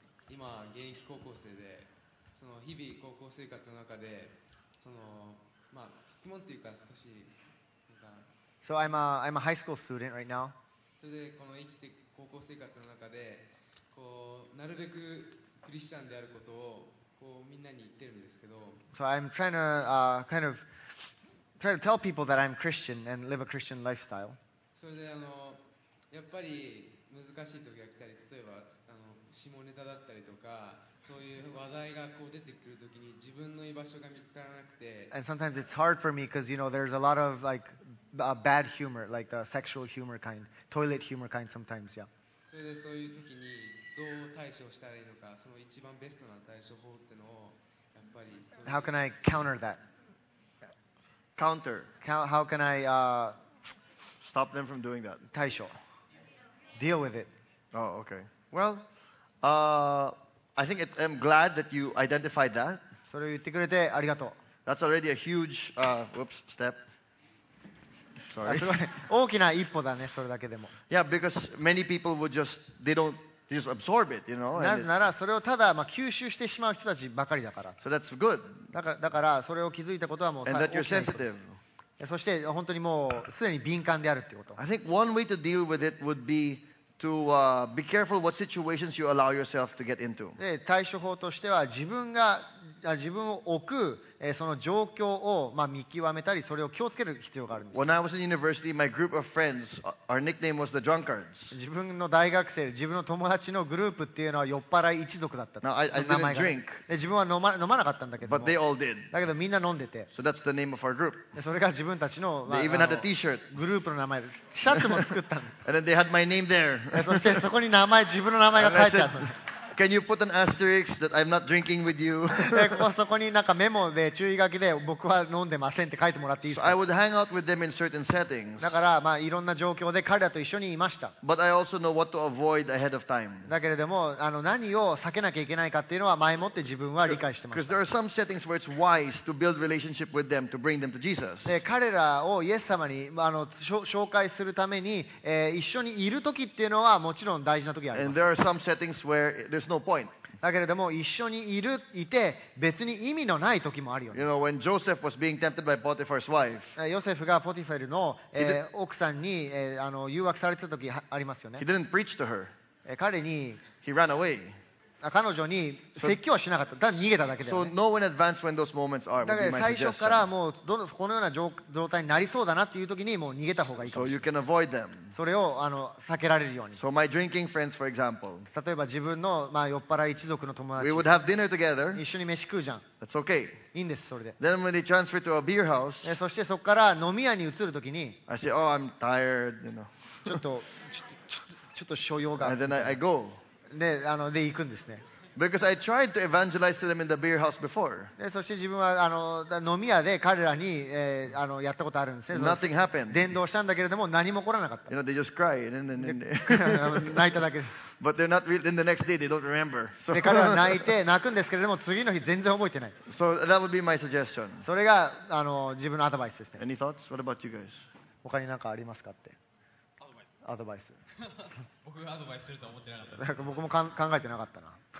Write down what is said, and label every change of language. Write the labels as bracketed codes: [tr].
[ja] 今現役高校生で、その日々高校生活の中で、そのまあ質問というか少しなんか。 [en] So I'm a high school student right now。 [ja] それでこの生きて高校生活の中で、こうなるべくクリスチャンであることをこうみんなに言ってるんですけど。 [en] So I'm trying to kind of try to tell people that I'm Christian and live a Christian lifestyle. [ja] それで、やっぱり難しい時が来たり、例えば、下ネタだったりとか、そういう話題がこう出てくる時に自分の居場所が見つからなくて。 [en] And sometimes it's hard for me because, you know, there's a lot of, like, bad humor, like the sexual humor kind, toilet humor kind sometimes, yeah. [ja] それでそういう時にどう対処したらいいのか、その一番ベストな対処法ってのを、やっぱり。 [en] How can I counter that? Counter. How can I stop them from doing that? 対処 Deal with it. Oh, okay. Well, I think I'm glad that you identified that. [ja] それを言ってくれてありがとう。 [en] That's already a huge, whoops, step. Sorry. [ja] すごい。大きな一歩だね、それだけでも。 [en] Yeah, because many people would just, they don't, they just absorb it, you know. [ja] なぜならそれをただ、まあ、吸収してしまう人たちばかりだから。 [en] So that's good. [ja] だからそれを気づいたことはもう [en] And that you're sensitive. [ja] そして本当にもうすでに敏感であるっていうこと。 [en] I think one way to deal with it would be to be careful what situations you allow yourself to get into. [ja] で対処法としては自分を置く、その状況を、まあ、見極めたりそれを気をつける必要があるんです。 [en] When I was in university, my group of friends, our nickname was the drunkards. [ja] 自分の大学生、自分の友達のグループっていうのは酔っ払い一族だった。 [en] Now, I didn't drink. [ja] 自分は飲まなかったんだけども。 [en] But they all did. [ja] だけどみんな飲んでて。 [en] So that's the name of our group. [ja] それが自分たちの、 [en] まあ、they even had a T-shirt. [ja] グループの名前、シャツも作ったの。 [en] And then they had my name there. [ja] そしてそこに名前、自分の名前が書いてあった。 [en] Can you put an asterisk that I'm not drinking with you? [ja] そこになんかメモで注意書きで僕は飲んでませんって書いてもらっていいですか? [en] So I would hang out with them in certain settings. [ja] だからまあいろんな状況で彼らと一緒にいました。 [en] But I also know what to avoid ahead of time. [ja] だけれども何を避けなきゃいけないかっていうのは前もって自分は理解してました。 [en] Because there are some settings where it's wise to build relationship with them to bring them to Jesus. [ja] で彼らをイエス様に紹介するために、一緒にいる時っていうのはもちろん大事な時あります。 [en] And there are some settings where there'sNo point. [ja] だけれども一緒にいて別に意味のない時もあるよね。 [en] You know, when Joseph was being tempted by Potiphar's wife, [ja] ヨセフがポティファルの、奥さんに、誘惑されてた時ありますよね。 [en] He didn't preach to her. [ja] 彼に [en] He ran away. [ja] 彼女に説教はしなかった。ただ逃げただけだよね。 [en] So know in advance when those moments are. [ja] だから最初からもうこのような状態になりそうだなっていう時にもう逃げた方がいいかもしれない。 [en] So you can avoid them. [ja] それを避けられるように。 [en] So my drinking friends, for example. [ja] 例えば自分の、まあ、酔っ払い一族の友達。 [en] We would have dinner together. [ja] 一緒に飯食うじゃん。 [en] That's okay. [ja] いいんです、それで。 [en] Then when they transfer to a beer house. [ja] そしてそこから飲み屋に移るときに。 [en] I say, oh, I'm tired, you know. [ja] ちょっと所用が。 [en] And then I go. [ja] で、で行くんですね。 [en] Because I tried to evangelize to them in the beer house before. [ja] で、そして自分は飲み屋で彼らに、やったことあるんですね。 [en] Nothing happened. [ja] 伝道したんだけれども何も起こらなかった。 [en] You know, they just cry. And then [ja] 泣いただけです。 [en] But they're not really, then the next day they don't remember. [ja] So, で、彼ら泣いて泣くんですけれども次の日全然覚えてない。 [en] So that would be my suggestion. [ja] それが自分のアドバイスですね。 [en] Any thoughts? What about you guys? [ja] 他に何かありますかって。アドバイス。僕がアドバイスすると思ってなかった。僕も考えてなかったな。